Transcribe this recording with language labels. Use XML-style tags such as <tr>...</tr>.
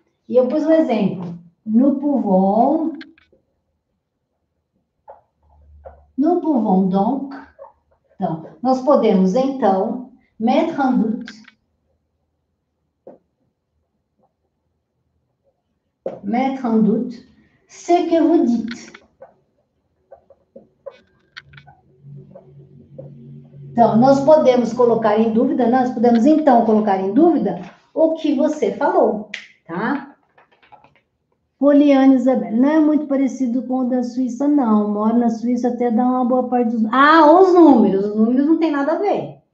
<pt>E eu pus um exemplo.</pt> <fr>Nous pouvons donc.</fr> <pt>Então, nós podemos então</pt> <fr>mettre en doute mettre en doute ce que vous dites.</fr> <pt>Então, nós podemos colocar em dúvida, nós podemos então colocar em dúvida o que você falou, tá? Poliana Isabel, não é muito parecido com o da Suíça, não. Moro na Suíça, até dá uma boa parte dos. Ah, os números não tem nada a ver.</pt>